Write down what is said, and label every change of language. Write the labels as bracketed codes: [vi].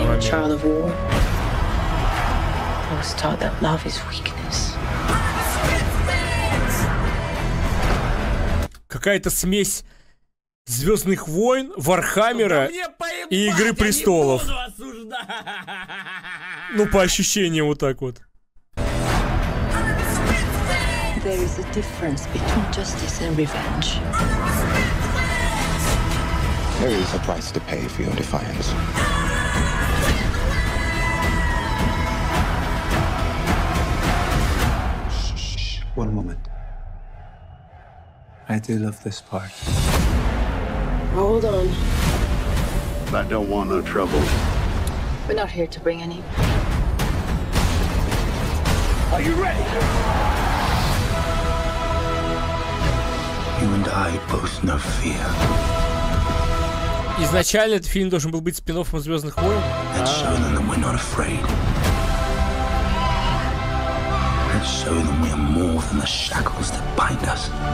[en] I was taught that love is weakness. [ru] Какая-то смесь Звездных войн, Вархаммера и Игры престолов. Ну, по ощущениям, вот так вот. [en] There is a difference between justice and revenge. There is a price to pay for your defiance. Shh, one moment. I do love this part. Hold on. I don't want no trouble. We're not here to bring any. Are you ready? You and I both know fear. [ru] Изначально этот фильм должен был быть спин-оффом «Звездных войн». [en] Let's show them that we're not afraid. Let's show them we are more than the shackles that bind us.